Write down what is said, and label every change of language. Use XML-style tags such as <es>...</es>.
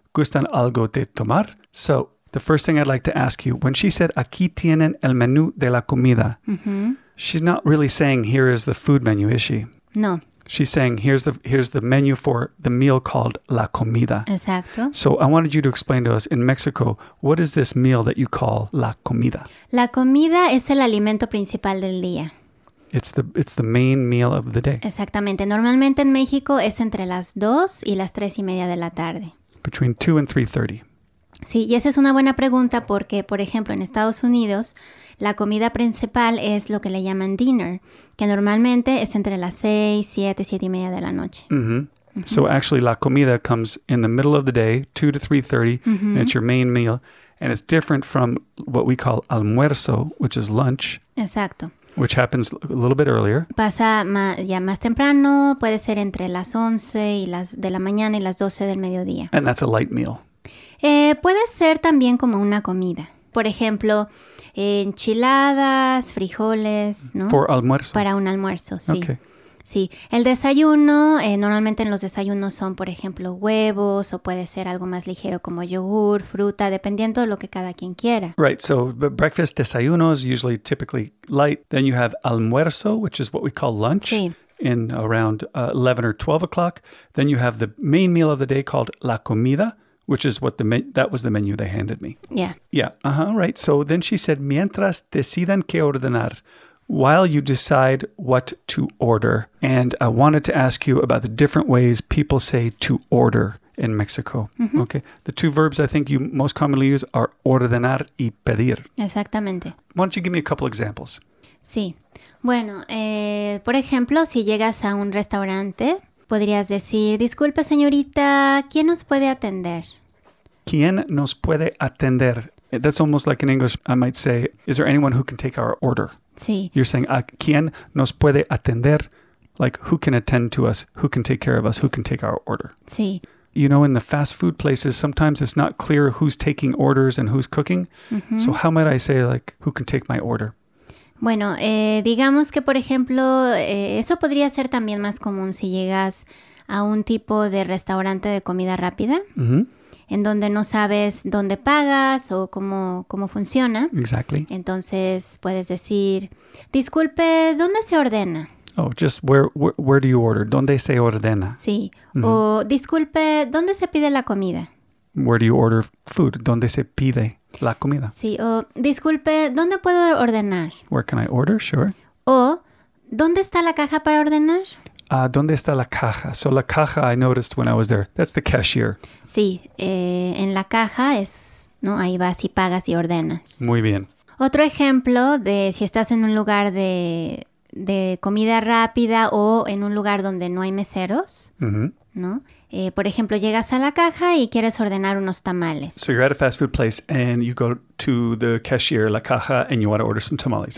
<es>¿Gustan algo de tomar?</es> <en>So, the first thing I'd like to ask you, when she said,</en> <es>aquí tienen el menú de la comida,</es> <en>she's not really saying, here is the food menu, is she? No. She's saying, here's the menu for the meal called la comida.</en> <es>Exacto.</es> <en>So I wanted you to explain to us, in Mexico, what is this meal that you call la comida?</en> <es>La comida es el alimento principal del día.</es> <en>It's the main meal of the day.</en> <es>Exactamente. Normalmente en México es entre las 2 y las 3 y media de la tarde.</es> <en>Between 2 and 3:30.</en> <es>Sí, y esa es una buena pregunta porque, por ejemplo, en Estados Unidos, la comida principal es lo que le llaman dinner, que normalmente es entre las 6, 7, 7:30 de la noche.</es> <en>Mm-hmm. Mm-hmm. So actually, la comida comes in the middle of the day, 2 to 3:30, mm-hmm. and it's your main meal. And it's different from what we call almuerzo, which is lunch.</en> <es>Exacto.</es> <en>Which happens a little bit earlier.</en> <es>Pasa más temprano, puede ser entre las 11 y las de la mañana y las 12 del mediodía.</es> <en>And that's a light meal.</en> <es>Puede ser también como una comida. Por ejemplo, enchiladas, frijoles, ¿no?</es> <en>For almuerzo.</en> <es>Para un almuerzo, sí. Okay. Sí. El desayuno, normalmente en los desayunos son, por ejemplo, huevos o puede ser algo más ligero como yogur, fruta, dependiendo de lo que cada quien quiera.</es> <en>Right. So, but breakfast, desayunos, usually typically light. Then you have almuerzo, which is what we call lunch.</en> <es>Sí.</es> <en>In around 11 or 12 o'clock. Then you have the main meal of the day called la comida. Which is what that was the menu they handed me. Yeah. Yeah. Uh-huh. Right. So then she said,</en> <es>mientras decidan qué ordenar,</es> <en>while you decide what to order. And I wanted to ask you about the different ways people say to order in Mexico. Mm-hmm. Okay. The two verbs I think you most commonly use are ordenar y pedir.</en> <es>Exactamente.</es> <en>Why don't you give me a couple examples?</en> <es>Sí. Bueno, por ejemplo, si llegas a un restaurante, podrías decir, disculpe, señorita, ¿quién nos puede atender? ¿Quién nos puede atender?</es> <en>That's almost like in English, I might say, is there anyone who can take our order?</en> <es>Sí.</es> <en>You're saying,</en> <es>¿quién nos puede atender?</es> <en>Like, who can attend to us? Who can take care of us? Who can take our order?</en> <es>Sí.</es> <en>You know, in the fast food places, sometimes it's not clear who's taking orders and who's cooking. Mm-hmm. So how might I say, like, who can take my order?</en> <es>Bueno, digamos que, por ejemplo, eso podría ser también más común si llegas a un tipo de restaurante de comida rápida, mm-hmm. en donde no sabes dónde pagas o cómo funciona.</es> <en>Exactly.</en> <es>Entonces, puedes decir, disculpe, ¿dónde se ordena?</es> <en>Oh, just where do you order?</en> <es>¿Dónde se ordena? Sí. Mm-hmm. O, disculpe, ¿dónde se pide la comida?</es> <en>Where do you order food?</en> <es>¿Dónde se pide la comida? Sí, o disculpe, ¿dónde puedo ordenar?</es> <en>Where can I order? Sure.</en> <es>O, ¿dónde está la caja para ordenar? ¿Dónde está la caja?</es> <en>So, la caja I noticed when I was there. That's the cashier.</en> <es>Sí, en la caja es, ¿no? Ahí vas y pagas y ordenas. Muy bien. Otro ejemplo de si estás en un lugar de comida rápida o en un lugar donde no hay meseros, mm-hmm. ¿no? Por ejemplo, llegas a la caja y quieres ordenar unos tamales.</es> <en>So you're at a fast food place and you go to the cashier, la caja, and you want to order some tamales.</en>